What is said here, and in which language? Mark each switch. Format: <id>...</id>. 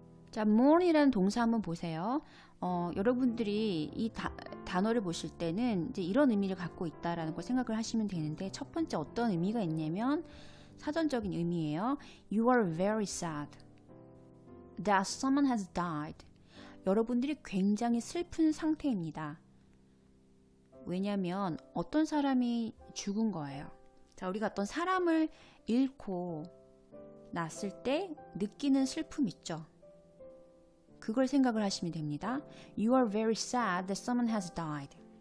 <ko>자, mourn이라는 동사 한번 보세요. 여러분들이 이 단어를 보실 때는 이제 이런 의미를 갖고 있다라는 걸 생각을 하시면 되는데 첫 번째 어떤 의미가 있냐면 사전적인 의미예요.</ko> <en>You are very sad that someone has died.</en> <ko>여러분들이 굉장히 슬픈 상태입니다. 왜냐하면 어떤 사람이 죽은 거예요. 자, 우리가 어떤 사람을 잃고 났을 때 느끼는 슬픔 있죠. 그걸 생각을 하시면 됩니다.</ko> <en>You are very sad that someone has died.</en>